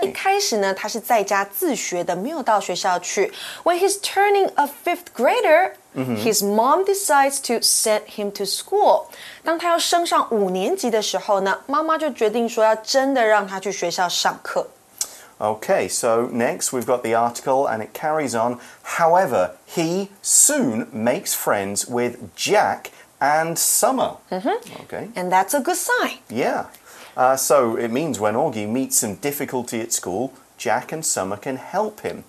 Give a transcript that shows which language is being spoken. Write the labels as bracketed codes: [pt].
[zh] 一开始呢，他是在家自学的，没有到学校去。 [en] When he's turning a fifth grader,、mm-hmm. his mom decides to send him to school. [zh] 当他要升上五年级的时候呢，妈妈就决定说要真的让他去学校上课。 [en] Okay, so next we've got the article and it carries on. However, he soon makes friends with Jack and Summer. Mm-hmm. Okay. And that's a good sign. Yeah. So it means when Augie meets some difficulty at school, Jack and Summer can help him.